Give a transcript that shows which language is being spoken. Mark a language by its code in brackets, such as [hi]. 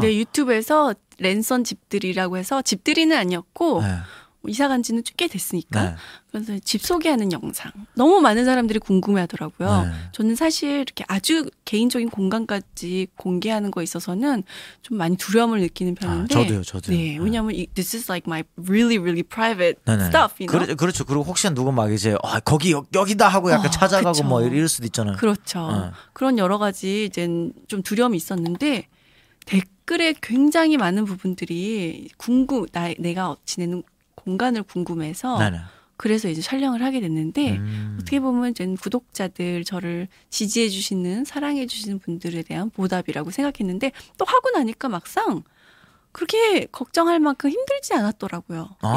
[ko] 네 유튜브에서 랜선 집들이라고 해서 집들이는 아니었고 이사 간 지는 꽤 됐으니까 그래서 집 소개하는 영상 너무 많은 사람들이 궁금해하더라고요. 저는 사실 이렇게 아주 개인적인 공간까지 공개하는 거 있어서는 좀 많이 두려움을 느끼는 편인데 저도요. 네, 왜냐하면 [en] this is like my really really private stuff. You know? [ko] 그렇죠. 그리고 혹시나 누가 막 이제 거기 여기다 하고 약간 찾아가고 그쵸. 뭐 이럴 수도 있잖아요. 그렇죠. 그런 여러 가지 이제 좀 두려움이 있었는데 댓글에 굉장히 많은 부분들이 내가 지내는 공간을 궁금해서 그래서 이제 촬영을 하게 됐는데 어떻게 보면 저는 구독자들 저를 지지해 주시는 사랑해 주시는 분들에 대한 보답이라고 생각했는데 또 하고 나니까 막상 그렇게 걱정할 만큼 힘들지 않았더라고요.